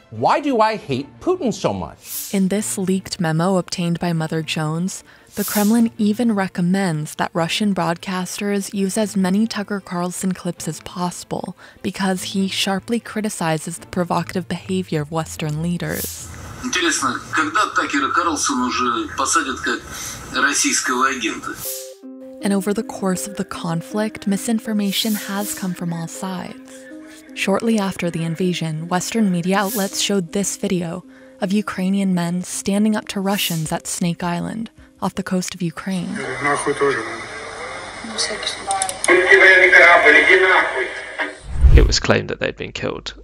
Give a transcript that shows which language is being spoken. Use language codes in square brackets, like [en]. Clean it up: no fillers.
[en] Why do I hate Putin so much? In this leaked memo obtained by Mother Jones, the Kremlin even recommends that Russian broadcasters use as many Tucker Carlson clips as possible because he sharply criticizes the provocative behavior of Western leaders. [ru] Интересно, когда Такера Карлсона уже посадят как российского агента? [en] And over the course of the conflict, misinformation has come from all sides. Shortly after the invasion, Western media outlets showed this video of Ukrainian men standing up to Russians at Snake Island, off the coast of Ukraine. It was claimed that they'd been killed.